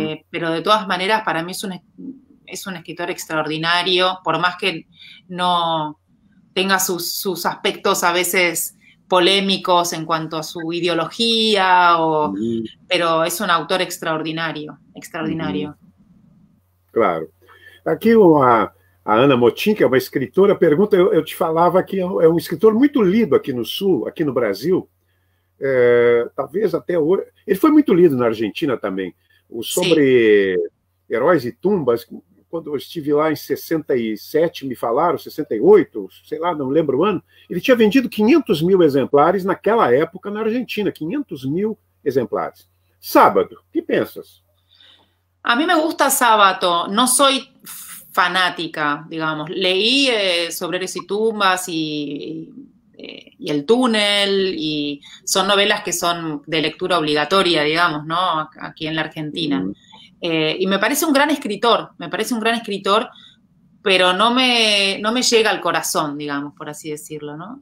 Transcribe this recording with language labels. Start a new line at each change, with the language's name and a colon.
Spanish: Pero de todas maneras, para mí es un escritor extraordinario, por más que no tenga sus aspectos a veces polémicos en cuanto a su ideología, pero es un autor extraordinario, extraordinario. Claro.
Portuguese: Aqui a Ana Motim, que é uma escritora, pergunta, eu te falava que é um escritor muito lido aqui no Sul, aqui no Brasil, talvez até hoje, ele foi muito lido na Argentina também, Sim. sobre Heróis e Tumbas, quando eu estive lá em 67, me falaram, 68, sei lá, não lembro o ano, ele tinha vendido 500 mil exemplares naquela época na Argentina, 500 mil exemplares. Sábado, o que pensas?
Spanish: A mí me gusta Sabato, no soy fanática, digamos. Leí sobre Héroes y Tumbas y El Túnel, y son novelas que son de lectura obligatoria, digamos, ¿no? Aquí en la Argentina. Y me parece un gran escritor, me parece un gran escritor, pero no me llega al corazón, digamos, por así decirlo, ¿no?